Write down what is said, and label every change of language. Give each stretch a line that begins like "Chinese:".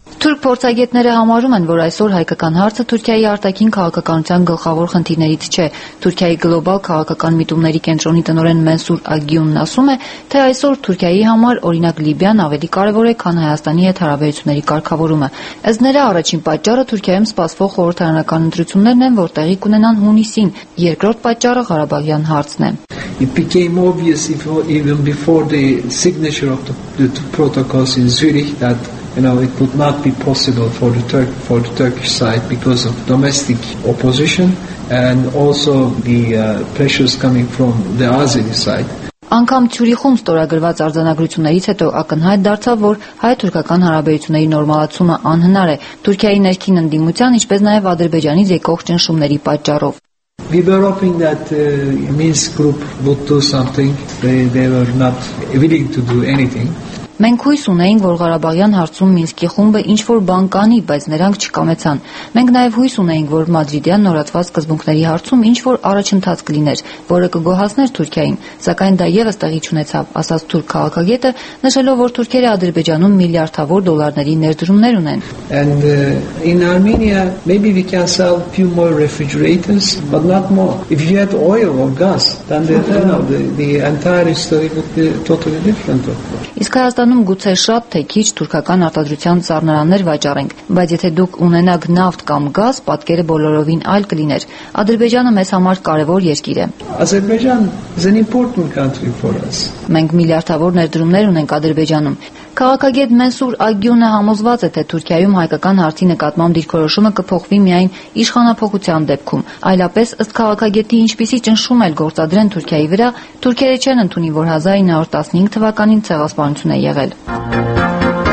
Armenian: Թուրք փորձագետները համարում են, որ այսօր հայկական հարցը Թուրքիայի արտաքին քաղաքականության գլխավոր խնդիրներից չէ։ Թուրքիայի գլոբալ քաղաքական միտումների կենտրոնի տնօրեն Մենսուր Ագյունն ասում է, թե այսօր Թուրքիայի համար, օրինակ Լիբիան, ավելի կարևոր է, քան Հայաստանի հետ հարաբերությունների կարգավորումը։ Ըստ նրա, առաջին պատճառը Թուրքիայում սպասվող խորհրդարանական ընտրություններն են, որ տեղի կունենան հունիսին, երկրորդ պատճառը Ղարաբաղյան հարցն է։
English: It became obvious even before the signature of the two protocols in Zurich that it would not be possible for the Turkish side because of domestic opposition and also the pressures coming from the Azeri side.
Armenian: Անկամ Թյուրիխում ստորագրված արձանագրություններից հետո ակնհայտ դարձավ, որ հայ-թուրքական հարաբերությունների նորմալացումը անհնար է Թուրքիայի ներքին ընդդիմության, ինչպես նաև Ադրբեջանից եկող ճնշումների պատճառով։
English: We were hoping that Minsk group would do something. They were not willing to do anything.
Armenian: Մենք հույս ունեինք, որ Ղարաբաղյան հարցում Մինսկի խումբը ինչ-որ բան կանի, բայց նրանք չկամեցան։ Մենք նաև հույս ունեինք, որ Մադրիդյան նորացված սկզբունքների հարցում ինչ-որ առաջընթաց կլիներ, որը կգոհացներ Թուրքիային, սակայն դա եւս տեղի չունեցավ, ասաց թուրք քաղաքագետը, նշելով, որ թուրքերը Ադրբեջանում միլիարդավոր դոլարների ներդրումներ ունեն։
English: And in Armenia maybe we can sell few more refrigerators, but not more. If you had oil or gas, then the entire story would be totally different.
Armenian: Հայաստանում գուցե շատ թե քիչ թուրքական արտադրության ծառայներ վաճառենք, բայց եթե դուք ունենաք նավթ կամ գազ, պատկերը բոլորովին այլ կլիներ։ Ադրբեջանը մեզ համար կարևոր երկիր է։
English: Ադրբեջան is an important country for us.
Armenian: Մենք միլիարդավոր ներդրումներ ունենք Ադրբեջանում։ Քաղաքագետ Մենսուր Ագյունը համոզված է, թե Թուրքիայում հայկական հարցի նկատմամբ դիրքորոշումը կփոխվի միայն իշխանապահության դեպքում։ Այլապես, ըստ քաղաքագետի, ինչպիսի ճնշում էլ գործադրեն Թուրքիայի վրա, թուրքերը չեն ընդունի, որ 1915 թվականին ցեղասպանություն է եղել։